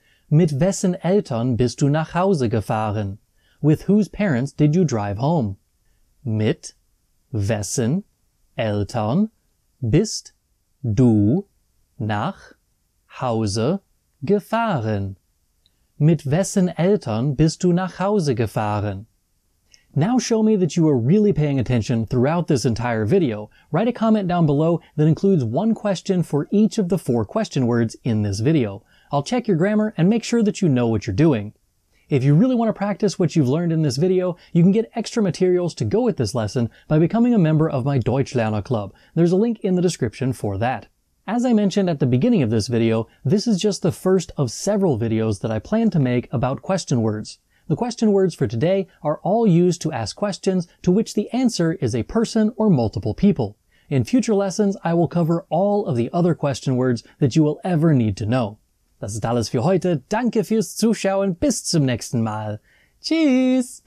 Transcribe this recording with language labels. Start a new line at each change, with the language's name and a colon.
German: Mit wessen Eltern bist du nach Hause gefahren?
English: With whose parents did you drive home?
German: Mit wessen Eltern bist du nach Hause gefahren? Mit wessen Eltern bist du nach Hause gefahren?
English: Now show me that you are really paying attention throughout this entire video. Write a comment down below that includes one question for each of the four question words in this video. I'll check your grammar and make sure that you know what you're doing. If you really want to practice what you've learned in this video, you can get extra materials to go with this lesson by becoming a member of my Deutschlerner Club. There's a link in the description for that. As I mentioned at the beginning of this video, this is just the first of several videos that I plan to make about question words. The question words for today are all used to ask questions to which the answer is a person or multiple people. In future lessons, I will cover all of the other question words that you will ever need to know.
German: Das ist alles für heute. Danke fürs Zuschauen. Bis zum nächsten Mal. Tschüss!